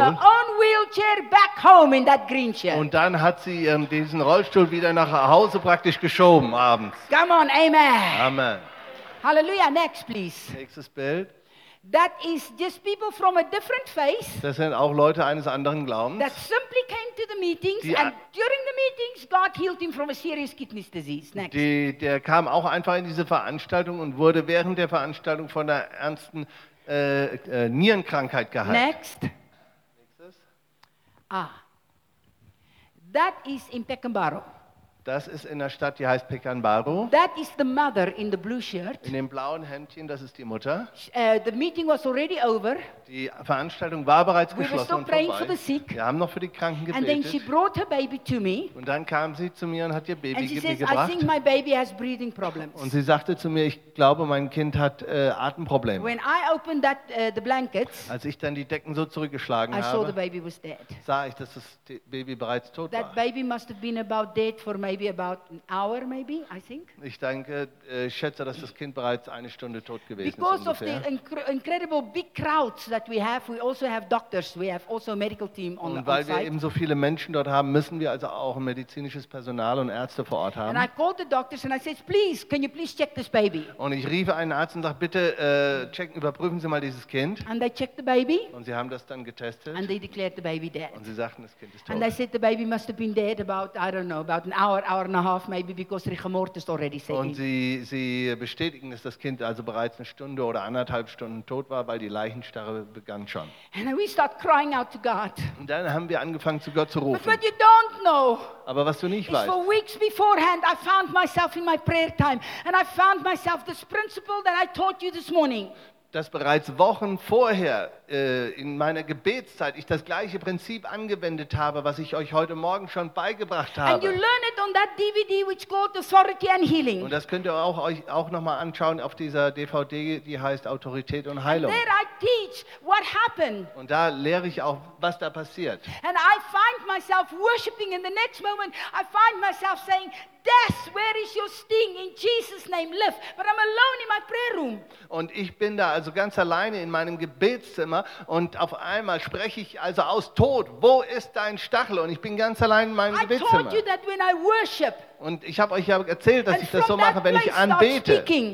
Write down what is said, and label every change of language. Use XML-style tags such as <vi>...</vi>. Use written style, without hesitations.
<en>Push her own wheelchair back home in that green chair.</en> <de>Und dann hat sie diesen Rollstuhl wieder nach Hause praktisch geschoben abends.</de> <en>Come on, amen. Amen. Hallelujah. Next, please.</en> <de>Nächstes Bild.</de> <en>That is just people from a different faith.</en> <de>Das sind auch Leute eines anderen Glaubens.</de> <en>That simply came to the meetings and during the meetings God healed him from a serious kidney disease. Next.</en> <de>Der kam auch einfach in diese Veranstaltung und wurde während der Veranstaltung von einer ernsten Nierenkrankheit gehabt.</de> <en>Next. Ah. That is in Pekanbaru.</en> <de>Das ist in der Stadt, die heißt Pekanbaru.</de> <en>That is the mother in the blue shirt.</en> <de>In dem blauen Hemdchen, das ist die Mutter.</de> <en>The meeting was already over.</en> <de>Die Veranstaltung war bereits geschlossen.</de> <en>We were still praying for the sick.</en> <de>Wir haben noch für die Kranken gebetet.</de> <en>And then she brought her baby to me.</en> <de>Und dann kam sie zu mir und hat ihr Baby</de> <en>And she</en> <de>mir</de> <en>says,</en> <de>gebracht.</de> <en>I think my baby has breathing problems.</en> <de>Und sie sagte zu mir, ich glaube, mein Kind hat Atemprobleme.</de> <en>When I opened that, the blankets,</en> <de>als ich dann die Decken so zurückgeschlagen</de> <en>I</en> <de>habe,</de> <en>saw the baby was dead.</en> <de>Sah ich, dass das Baby bereits tot</de> <en>that That baby must have been about dead for maybe about an hour, maybe, I think.</en> <de>Ich denke, schätze, dass das Kind bereits eine Stunde tot gewesen</de> <en>Because</en> <de>ist. Ungefähr.</de> <en>Of the incredible big crowds that we also have doctors, we have also a medical team on the</en> <de>Und weil</de> <en>outside.</en> <de>Wir eben so viele Menschen dort haben, müssen wir also auch medizinisches Personal und Ärzte vor Ort haben.</de> <en>And I called the doctors and I said, please, can you please check this baby?</en> <de>Und ich rief einen Arzt und sagte, bitte checken, überprüfen Sie mal dieses Kind.</de> <en>And they checked the baby.</en> <de>Und sie haben das dann getestet.</de> <en>And they declared the baby dead.</en> <de>Und sie sagten, das Kind ist tot.</de> <en>And they said the baby must have been dead about, I don't know, about an hour. hour and a half maybe because Rigamort is already set</en> <de>in. Und sie bestätigen, dass das Kind also bereits eine Stunde oder anderthalb Stunden tot war, weil die Leichenstarre begann schon.</de> <en>And we start crying out to God.</en> <de>Und dann haben wir angefangen zu Gott zu rufen.</de> <en>But what you don't know.</en> <de>Aber was du nicht weißt.</de> <en>For weeks beforehand I found myself in my prayer time and I found myself this principle that I taught you this morning.</en> <de>Dass bereits Wochen vorher in meiner Gebetszeit ich das gleiche Prinzip angewendet habe, was ich euch heute Morgen schon beigebracht habe.</de> <en>And you learn it on that DVD which called Authority and Healing.</en> <de>Und das könnt ihr auch euch auch noch mal anschauen auf dieser DVD, die heißt Autorität und Heilung.</de> <en>And there I teach what happened.</en> <de>Und da lehre ich auch, was da passiert.</de> <en>And I find myself worshiping in the next moment. I find myself saying, Death, where is your sting? In Jesus' name, live. But I'm alone in my prayer room.</en> <de>Und ich bin da also ganz alleine in meinem Gebetszimmer und auf einmal spreche ich also aus Tod. Wo ist dein Stachel? Und ich bin ganz allein in meinem Gebetszimmer.</de> <en>I told you that when I worship.</en> <de>Und ich habe euch ja erzählt, dass ich das so mache, wenn ich anbete.</de>